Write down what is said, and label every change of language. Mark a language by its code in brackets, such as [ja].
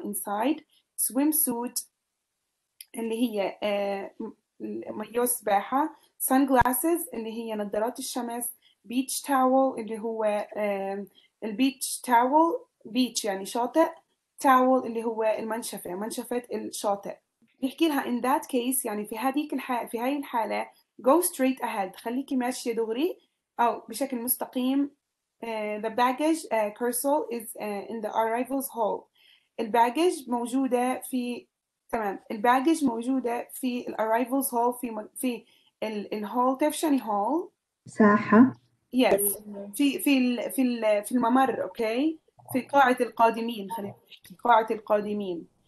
[ar] Inside swimsuit اللي هي مايو سباحة، sunglasses اللي هي نظارات الشمس، [en] beach towel [ar] اللي هو البيتش towel، beach يعني شاطئ، towel اللي هو المنشفة، منشفة الشاطئ. بيحكي لها [en] in that case [ar] يعني في هذيك الحالة، في هاي الحالة [en] go straight ahead، [ar] خليكي ماشية دغري أو بشكل مستقيم. [en] The baggage carousel is in the arrivals hall. [ar] الباجج موجودة في، تمام، الباجج موجودة في ال [en] arrivals hall، [ar] في ال hall. تعرف شو يعني hall؟ ساحة. Yes، في الممر. أوكي، في قاعة القادمين، خلينا نحكي قاعة القادمين.